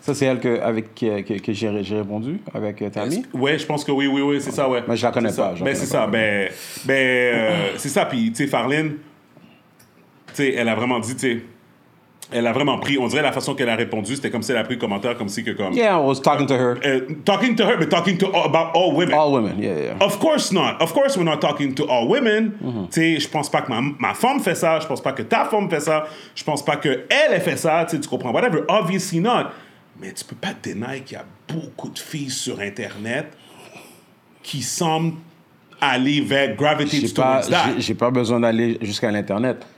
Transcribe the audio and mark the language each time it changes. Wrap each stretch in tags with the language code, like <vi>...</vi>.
<fr>Ça, c'est elle avec qui j'ai répondu, avec Tammy. Oui, je pense que oui, c'est ça, ouais. Mais je la connais c'est pas. Ben, c'est pas, ça, mais... ben, c'est ça. Puis, tu sais, Farline, tu sais, elle a vraiment dit, tu sais, elle a vraiment pris, on dirait la façon qu'elle a répondu, c'était comme si elle a pris le commentaire, comme si que comme.</fr> <en>Yeah, I was talking to her. Talking to her, but talking to about all women. All women, yeah. Of course not. Of course we're not talking to all women. Mm-hmm.</en> <fr>Tu sais, je pense pas que ma femme fait ça, je pense pas que ta femme fait ça, je pense pas que elle fait ça, tu sais, tu comprends, whatever.</fr> <en>Obviously not.</en> <fr>Mais tu peux pas dénier qu'il y a beaucoup de filles sur Internet qui semblent aller vers gravity</fr> <en>towards that.</en> <fr>J'ai pas besoin d'aller jusqu'à l'Internet.</fr>